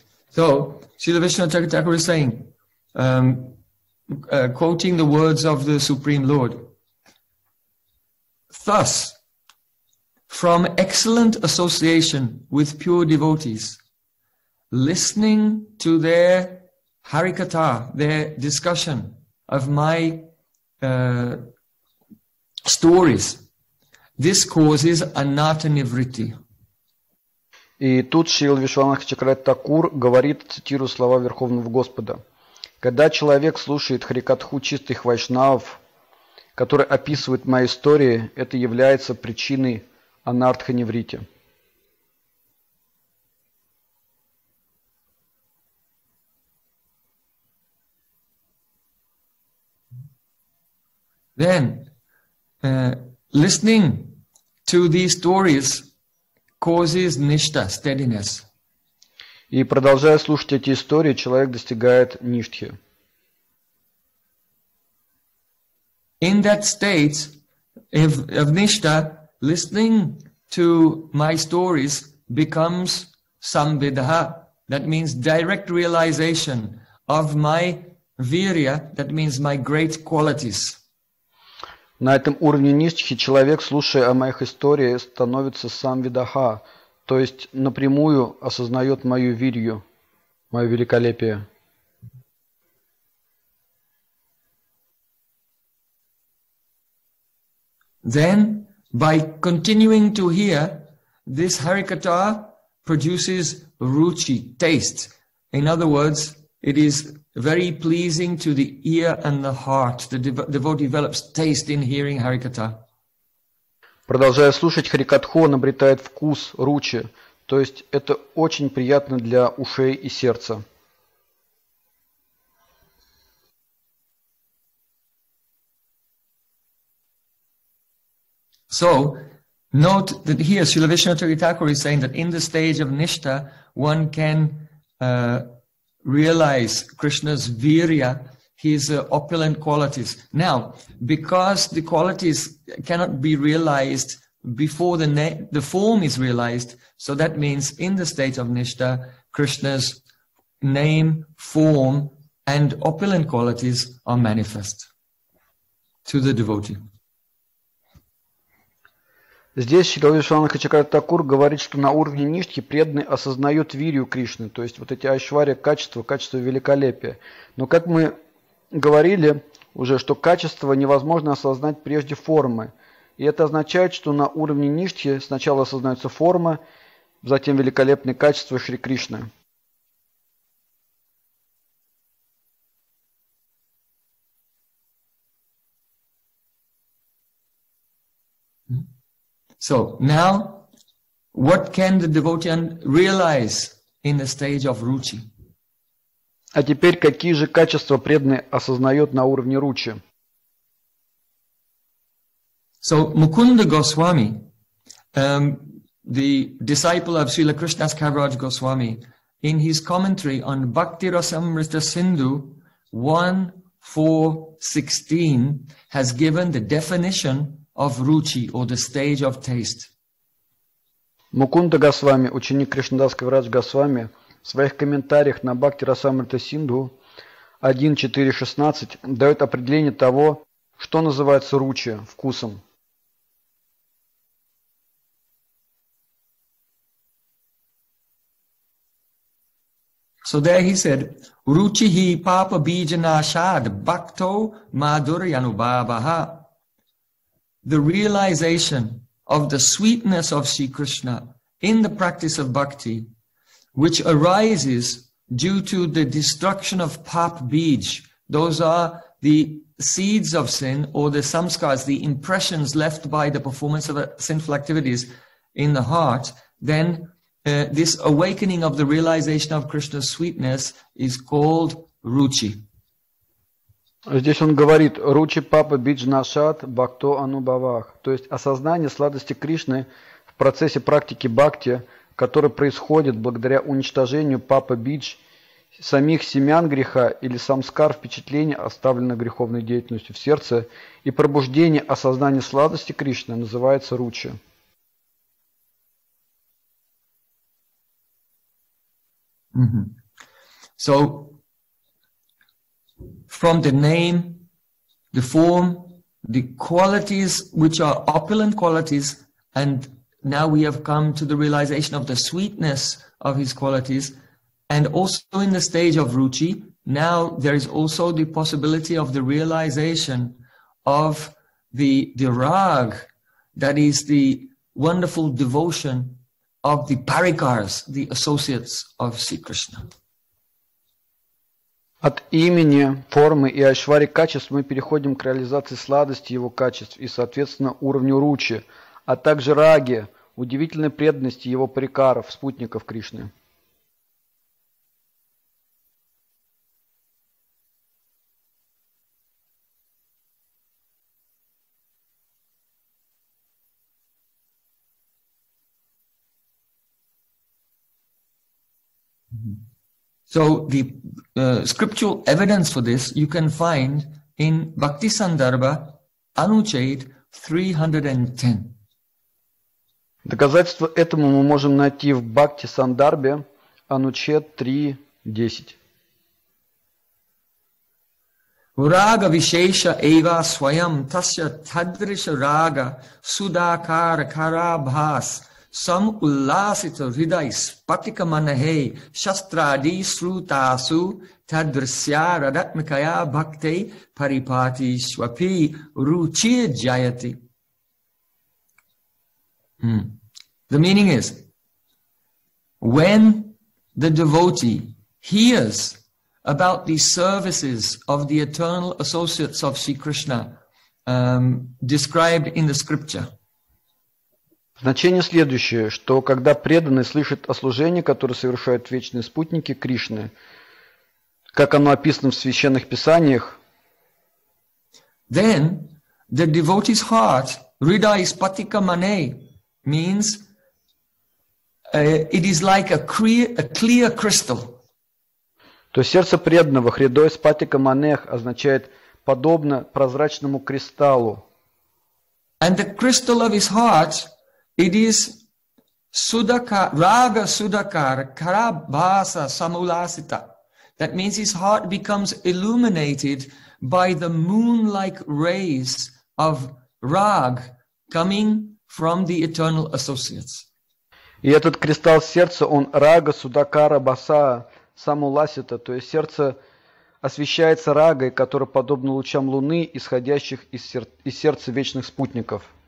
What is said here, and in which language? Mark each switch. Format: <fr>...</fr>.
<en>So, Srila Vishnu Thakur is saying, quoting the words of the Supreme Lord, thus, from excellent association with pure devotees, listening to their harikatha, their discussion of my stories, this causes anatta nivritti.</en> <ru>И тут Шрила Вишванатха Чакрат Такур говорит, цитирую слова Верховного Господа, «Когда человек слушает харикатху чистых вайшнавов, который описывает мои истории, это является причиной анартха неврити».</ru> <en>Then, listening to these stories causes nishta, steadiness.</en> <ru>И продолжая слушать эти истории, человек достигает ништхи.</ru> <en>In that state of nishta, listening to my stories becomes samvidha. That means direct realization of my virya, that means my great qualities.</en> <ru>На этом уровне ништхи человек, слушая о моих историях, становится сам видаха, то есть напрямую осознает мою вирью, мое великолепие.</ru> <en>Then, by continuing to hear, this harikata produces ruchi, taste. In other words, it is very pleasing to the ear and the heart. The devotee develops taste in hearing harikatha.</en> <ru>Продолжая слушать харикатху, он обретает вкус ручи, то есть это очень приятно для ушей и сердца.</ru> <en>So, note that here Srila Vishnu Tugi Thakur is saying that in the stage of nishta, one can realize Krishna's virya, his opulent qualities. Now, because the qualities cannot be realized before the form is realized, so that means in the state of nishta, Krishna's name, form, and opulent qualities are manifest to the devotee.</en> <ru>Здесь Шрила Вишванатха Чакрат Такур говорит, что на уровне ништхи преданный осознает вирью Кришны, то есть вот эти айшвария качества, качество великолепия. Но как мы говорили уже, что качество невозможно осознать прежде формы. И это означает, что на уровне ништхи сначала осознается форма, затем великолепные качества Шри Кришны.</ru> <en>So now, what can the devotee realize in the stage of ruchi?</en> <ru>А теперь какие же качества преданный осознает на уровне ручи?</ru> <en>So Mukunda Goswami, the disciple of Srila Krishna's Kaviraj Goswami, in his commentary on Bhakti Rasamrita Sindhu 1.4.16, has given the definition of ruchi, or the stage of taste.</en> <ru>Mukunda Goswami, ученик Кришнадас Кавирадж Госвами, своих комментариях на Бхакти Расамрита Синдху 1.4.16 дает определение того, что называется руча, вкусом.</ru> <en>So there he said,</en> <sa>Ruchihi papa bijanashad bhakto madhuryanubhavaha.</sa> <en>The realization of the sweetness of Sri Krishna in the practice of bhakti, which arises due to the destruction of pap bij, those are the seeds of sin or the samskars, the impressions left by the performance of sinful activities in the heart, then this awakening of the realization of Krishna's sweetness is called ruchi.</en> <ru>Здесь он говорит,</ru> <sa>ручи папа биджнашат бхакто анубавах.</sa> <ru>То есть осознание сладости Кришны в процессе практики бхакти, которое происходит благодаря уничтожению папа бидж, самих семян греха или самскар впечатления, оставленных греховной деятельностью в сердце, и пробуждение осознания сладости Кришны называется ручи. Mm-hmm.</ru> <en>So, from the name, the form, the qualities which are opulent qualities, and now we have come to the realization of the sweetness of his qualities, and also in the stage of ruchi, now there is also the possibility of the realization of the rag, that is the wonderful devotion of the parikars, the associates of Sri Krishna.</en> <ru>От имени, формы и айшвари качеств мы переходим к реализации сладости его качеств и, соответственно, уровню ручи, а также раги, удивительной преданности его парикаров, спутников Кришны.</ru> <en>So the scriptural evidence for this you can find in Bhakti Sandarbha Anuchet 310.</en> <ru>Доказательство этому мы можем найти в Бхакти Сандарбе Анучет 3.10.</ru> <sa>Рага вишеша эва своям тасья тадриша рага судакар карабхас. Сам улласито ридай спатика манахе шастради срутасу тадрсья радатмикая бхакте парипати швапи ручи джаяти.</sa> <en>The meaning is, when the devotee hears about the services of the eternal associates of Sri Krishna described in the scripture.</en> <ru>Значение следующее, что когда преданный слышит о служении, которое совершают вечные спутники Кришны, как оно описано в священных писаниях,</ru> <en>then the devotee's heart,</en> <sa>rida ispatika mane,</sa> <en>means it is like a clear crystal.</en> <ru>То есть сердце преданного,</ru> <sa>хридо испатика манех,</sa> <ru>означает подобно прозрачному кристаллу.</ru> <en>And the crystal of his heart, it is sudaka,</en> <sa>raga sudakar karabhasa samulasita.</sa> <en>That means his heart becomes illuminated by the moon-like rays of rag coming from the eternal associates.</en> <ru>И этот кристалл сердца, он</ru> <sa>рага судакара баса самуласита,</sa> <ru>то есть сердце освещается рагой, которая подобна лучам луны, исходящих из сердца вечных спутников.</ru>